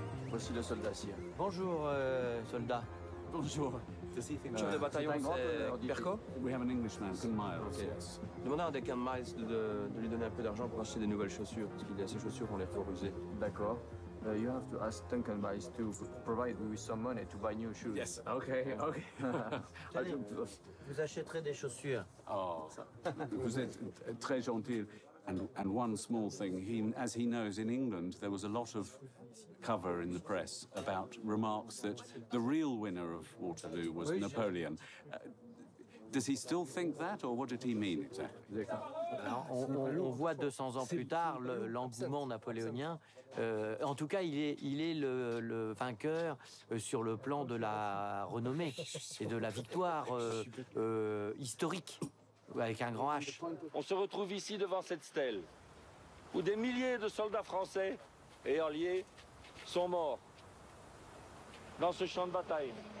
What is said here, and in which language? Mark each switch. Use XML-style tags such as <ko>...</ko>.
<fr>Voici le soldat, sire. Bonjour, soldat. Bonjour. Chef de bataillon, c'est Perko.</fr> <en>We have an Englishman, 10 miles. Okay. Yes.</en> <fr>Demandez à un des 10 miles de lui donner un peu d'argent pour acheter des nouvelles chaussures, parce qu'il y a ses chaussures qui ont l'air trop usées. D'accord.</fr> <en>You have to ask Duncan Miles to provide me with some money to buy new shoes. Yes, okay, okay.</en> <fr>Vous achèterez des chaussures. Oh, vous êtes très gentil.</fr> <en>And one small thing, as he knows, in England, there was a lot of cover in the press about remarks that the real winner of Waterloo was Napoleon. Does he still think that, or what did he mean exactly?</en> <fr>On voit 200 ans plus tard l'engouement napoléonien. En tout cas, il est le vainqueur sur le plan de la renommée et de la victoire historique. Avec un grand H. On se retrouve ici devant cette stèle, où des milliers de soldats français et alliés sont morts dans ce champ de bataille.</fr>